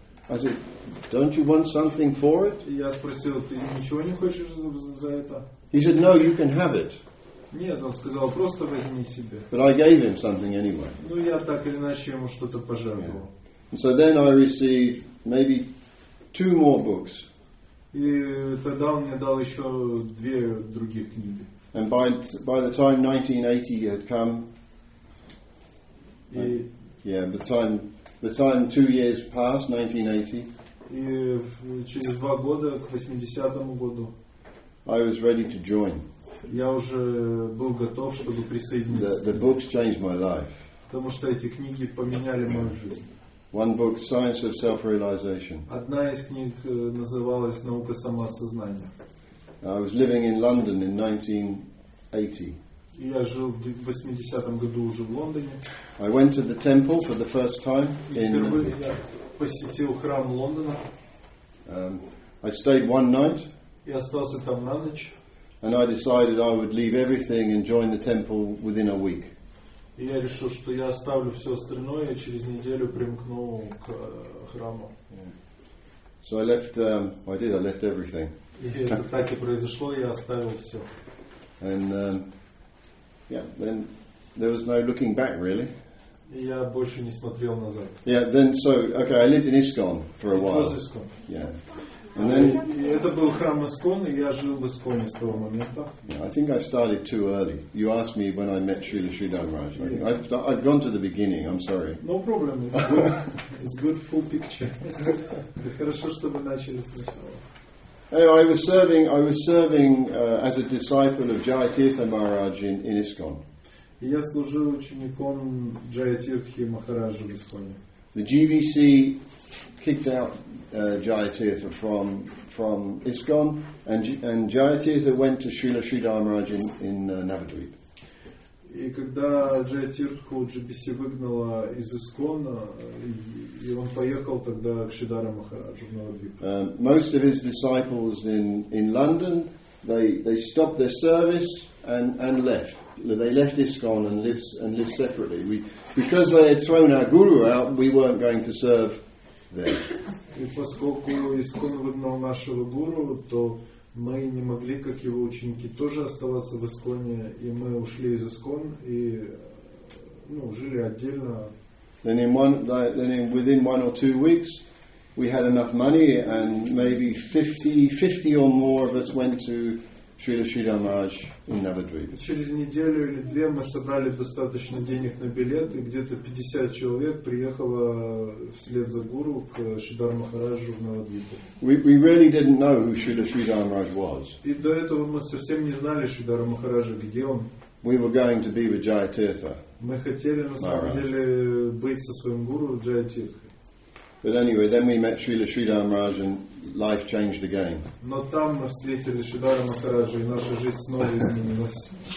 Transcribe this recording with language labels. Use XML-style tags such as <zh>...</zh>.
<en>I said, "Don't you want something for it?"</en> <ru>И я спросил, ты ничего не хочешь за это?</ru> <en>He said, "No, you can have it."</en> <ru>Нет, он сказал, просто возьми себе.</ru> <en>But I gave him something anyway.</en> <ru>Ну, я так или иначе ему что-то пожертвовал.</ru> <en>Yeah. So then I received maybe two more books.</en> <ru>И тогда он мне дал еще две другие книги.</ru> <en>And by the time 1980 had come,</en> <ru>и,</ru> <en>yeah, the time 2 years passed, 1980.</en> <ru>И через два года, к 80-му году,</ru> <en>I was ready to join.</en> <ru>Я уже был готов, чтобы присоединиться.</ru> <en>The books changed my life.</en> <ru>Потому что эти книги поменяли мою жизнь.</ru> <en>One book, Science of Self-Realization.</en> <ru>Одна из книг называлась «Наука самоосознания».</ru> <en>I was living in London in 1980.</en> <ru>И я жил в 80-м году уже в Лондоне.</ru> <en>I went to the temple for the first time.</en> <ru>И впервые я посетил храм Лондона.</ru> <en>I stayed one night.</en> <ru>И остался там на ночь.</ru> <en>And I decided I would leave everything and join the temple within a week.</en> <ru>И я решил, что я оставлю все остальное и через неделю примкну к храму.</ru> <en>So I left. I did. I left everything.</en> <ru>И так и произошло. Я оставил все.</ru> <en>And then there was no looking back, really.</en> <ru>И я больше не смотрел назад.</ru> <en>Yeah. Then so okay. I lived in ISKCON for a while. It was ISKCON. Yeah. And then,</en> <ru>и это был храм Искон, и я жил в Исконе с того момента.</ru> <en>Yeah, I think I started too early. You asked me when I met Srila Sridhar Maharaj. I've gone to the beginning, I'm sorry. No problem, it's good. It's good full picture.</en> <ru>Хорошо, что вы начали сначала.</ru> <en>Anyway, I was serving as a disciple of Jayatirtha Maharaj in Iskon.</en> <ru>И я служил учеником Джаятиртхи Махараджа в Исконе.</ru> <en>The GBC kicked out Jayatirtha from ISKCON, and Jayatirtha went to Srila Sridhar Maharaj in Navadvip.</en> <ru>И когда Джая Тиртху Джибиси выгнала из Искона, и он поехал тогда к Шридхара Махараджу в Навадвипу.</ru> <en>Most of his disciples in London, they stopped their service and left. They left ISKCON and lived separately. Because they had thrown our guru out, we weren't going to serve them.</en> <ru>И поскольку ISKCON выгнал нашего гуру, то мы не могли, как его ученики, тоже оставаться в Исконе, и мы ушли из ISKCON и жили отдельно.</ru> <en>Then within one or two weeks, we had enough money, and maybe 50 or more of us went to Srila Sridhar Maharaj in Navadvipa.</en> <ru>Через неделю или две мы собрали достаточно денег на билет, и где-то 50 человек приехало вслед за гуру к Шридхар Махараджу в Навадвипу.</ru> <en>We really didn't know who Srila Sridhar Maharaj was.</en> <ru>И до этого мы совсем не знали Шридхара Махараджа, где он.</ru> <en>We were going to be with Jaya Tirtha.</en> <ru>Мы хотели на самом деле быть со своим гуру Джая Тирта.</ru> <en>But anyway, then we met Srila Sridhar Maharaj and life changed again.</en> <ru>Но там мы встретили Шридхара Махараджа, и наша жизнь снова изменилась.</ru>